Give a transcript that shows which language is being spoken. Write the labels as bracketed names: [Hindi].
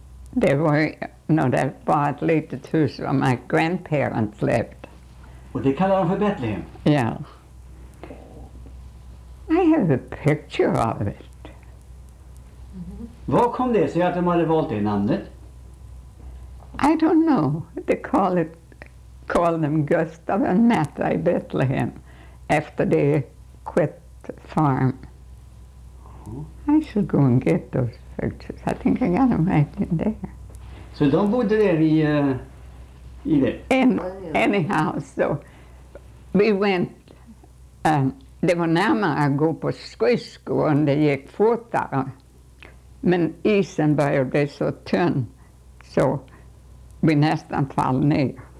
[Swedish] Det var, no, det var ett litet hus där [English] my grandparents lived. [Swedish] Och det kallar de för Bethlehem? [English] Ja. Yeah. I have a picture of it. Mm-hmm. [Swedish] Var kom det sig att de hade valt det namnet? [English] I don't know. They call them Gustav and Matta i Bethlehem after they quit the farm. Mm-hmm. I should go and get those pictures. I think I got them right in there. [Swedish] Så de bodde där i det? [English] Anyhow, so we went, [Swedish] det var närmare att gå på skridskor och det gick fortare. Men isen började bli så tunn så vi nästan fall ner.